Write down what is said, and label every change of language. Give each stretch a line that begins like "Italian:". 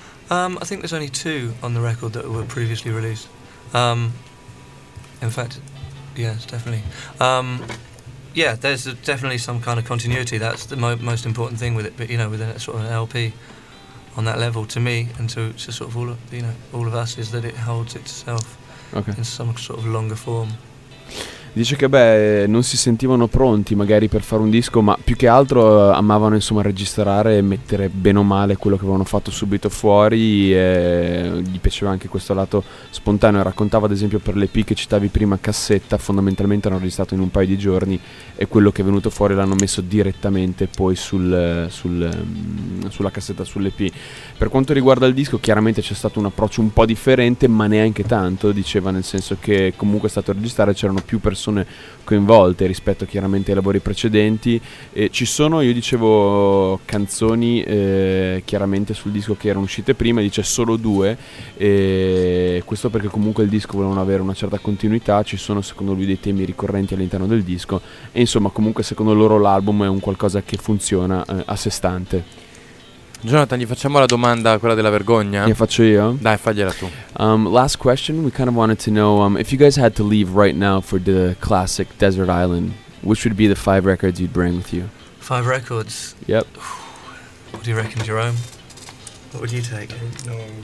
English: I think there's only two on the record that were previously released. In fact, yes, definitely. Yeah, there's definitely some kind of continuity. That's the most important thing with it, but, you know, with a sort of an LP... On that level, to me and to sort of all of, you know, all of us, is that it holds itself, okay, in some sort of longer form.
Italian: Dice che beh, non si sentivano pronti magari per fare un disco, ma più che altro amavano insomma registrare e mettere bene o male quello che avevano fatto subito fuori, e gli piaceva anche questo lato spontaneo. Raccontava ad esempio per l'EP che citavi prima, cassetta, fondamentalmente hanno registrato in un paio di giorni e quello che è venuto fuori l'hanno messo direttamente poi sulla cassetta, sull'EP. Per quanto riguarda il disco, chiaramente c'è stato un approccio un po' differente, ma neanche tanto, diceva, nel senso che comunque è stato registrare, c'erano più persone coinvolte rispetto chiaramente ai lavori precedenti, e ci sono, io dicevo, canzoni chiaramente sul disco che erano uscite prima, dice solo due, e questo perché comunque il disco volevano avere una certa continuità. Ci sono secondo lui dei temi ricorrenti all'interno del disco, e insomma comunque secondo loro l'album è un qualcosa che funziona a sé stante. Jonathan, gli facciamo la domanda, quella della vergogna? Io faccio io? Dai, fagliela tu.
English: Last question, we kind of wanted to know, if you guys had to leave right now for the classic Desert Island, which would be the 5 records you'd bring with you? 5 records? Yep. What do you reckon, Jerome? What would you take? No.